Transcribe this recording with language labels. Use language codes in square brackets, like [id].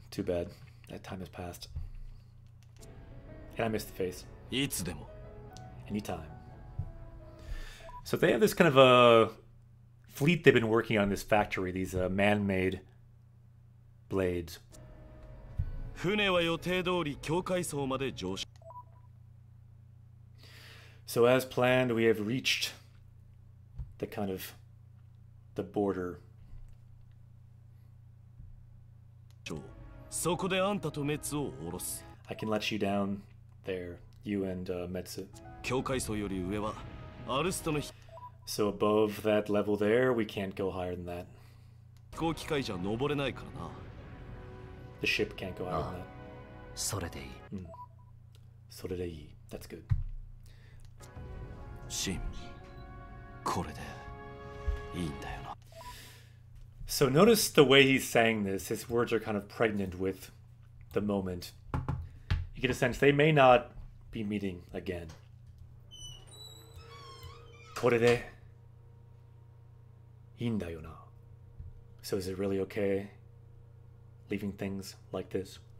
[en] Too bad. That time has passed. And I missed the face. [ja] いつでも. [en] Anytime. So they have this kind of a fleet they've been working on in this factory, these man-made blades. [ja] 船は予定通り境界層まで上昇. [en] So as planned, we have reached the kind of the border. [ja] そこであんたとメツを降ろす. [en] I can let you down there, you and Metsu. [ja] 境界層より上はアルストの. [en] So above that level there, we can't go higher than that. [ja] 飛行機械じゃ登れないからな. [en] The ship can't go higher than that. [ja] それでいい. それでいい. [en] That's good. [ja] シン、これでいいんだよな. [en] So notice the way he's saying this. His words are kind of pregnant with the moment. You get a sense they may not be meeting again. [ja] これでいいんだよな. [en] So is it really okay leaving things like this?